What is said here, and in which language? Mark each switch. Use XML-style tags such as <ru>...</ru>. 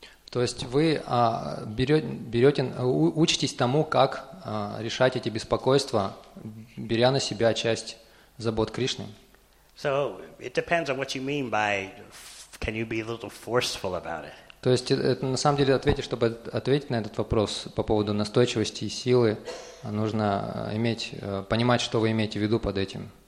<ru>То есть вы берете, учитесь тому, как решать эти беспокойства, беря на себя часть забот Кришны.</ru> <en>So it depends on what you mean by can you be a little forceful about it.</en> <ru>То есть это, на самом деле, чтобы ответить на этот вопрос по поводу настойчивости и силы, нужно понимать, что вы имеете в виду под этим.</ru>